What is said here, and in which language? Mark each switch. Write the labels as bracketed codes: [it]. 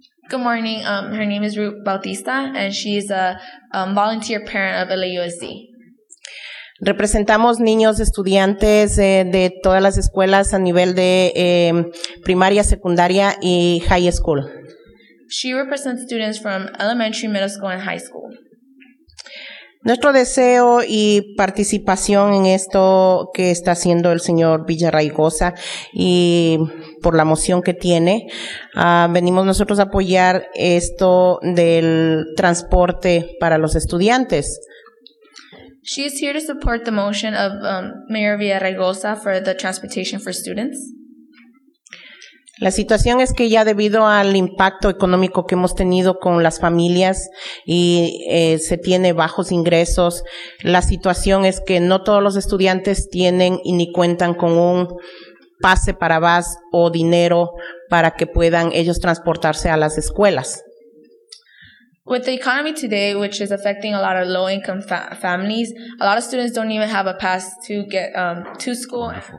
[en] Good morning. Her name is Ruth Bautista, and she is a volunteer parent of LUSD. [es] Representamos niños estudiantes de todas las escuelas a nivel de primaria, secundaria y high school. [en] She represents students from elementary, middle school, and high school. [es] Nuestro deseo y participación en esto que está haciendo el señor Villarraigosa y por la moción que tiene, venimos nosotros a apoyar esto del transporte para los estudiantes. [en] She is here to support the motion of Mayor Villarraigosa for the transportation for students. [es] La situación es que ya debido al impacto económico que hemos tenido con las familias y se tiene bajos ingresos, la situación es que no todos los estudiantes tienen y ni cuentan con un pase para bus o dinero para que puedan ellos transportarse a las escuelas. [en] With the economy today, which is affecting a lot of low-income families, a lot of students don't even have a pass to get to school.